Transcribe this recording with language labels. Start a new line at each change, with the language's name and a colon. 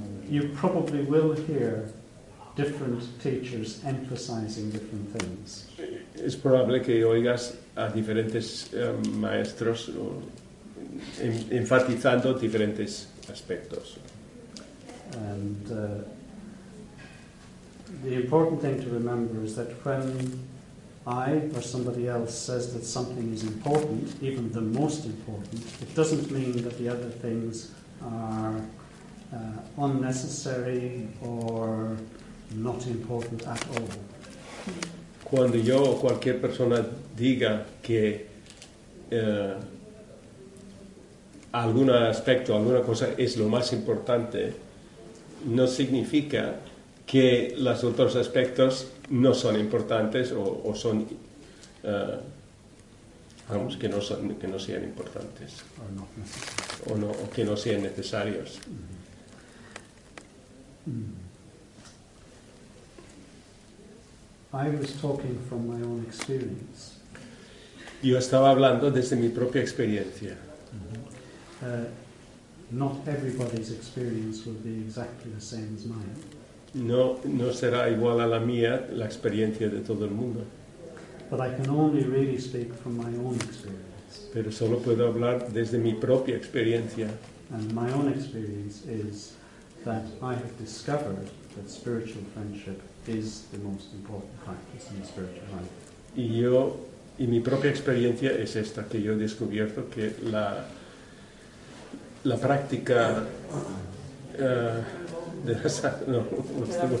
English: You probably will hear different teachers emphasizing different things.
Spanish: Es probable que oigas a diferentes maestros enfatizando diferentes aspectos.
English: And the important thing to remember is that when I or somebody else says that something is important, even the most important, it doesn't mean that the other things are unnecessary or not important at all.
Spanish: Cuando yo o cualquier persona diga que algún aspecto, alguna cosa es lo más importante, no significa que los otros aspectos no son importantes o son, vamos, que no son, que no sean importantes o no, o que no sean necesarios.
English: I was talking from my own experience.
Spanish: Yo estaba hablando desde mi propia experiencia.
English: Not everybody's experience will be exactly the same as mine.
Spanish: No será igual a la mía la experiencia de todo el mundo.
English: But I can only really speak from my own experience.
Spanish: Pero solo puedo hablar desde mi propia experiencia.
English: And my own experience is that I have discovered that spiritual friendship is the most important practice in the spiritual life.
Spanish: Y mi propia experiencia es esta, que yo he descubierto que la práctica de la